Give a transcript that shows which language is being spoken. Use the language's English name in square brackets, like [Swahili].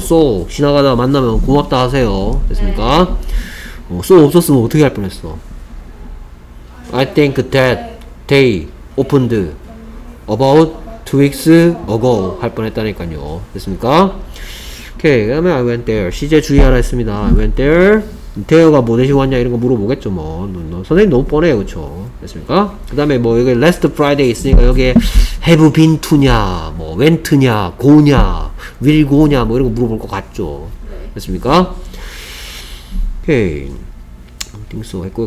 [Korean] so 지나가다 만나면 고맙다 하세요. 됐습니까? 네. so 없었으면 어떻게 할 뻔했어. [English] I think that they opened about 2 weeks ago [Korean] 할 뻔했다니까요. 됐습니까? 오케이. 그 다음에 [English] I went there. [Korean] 시제 주의하라 했습니다. [English] I went there. [Korean] 대여가 뭐 대신 왔냐 이런 거 물어보겠죠 뭐. 선생님 너무 뻔해요. 그쵸? 됐습니까? 그 다음에 뭐 여기 last Friday 있으니까 여기에 have been to냐 뭐 went냐 go냐 will go냐 뭐 이런 거 물어볼 것 같죠. 됐습니까? 오케이. I think so 했고요.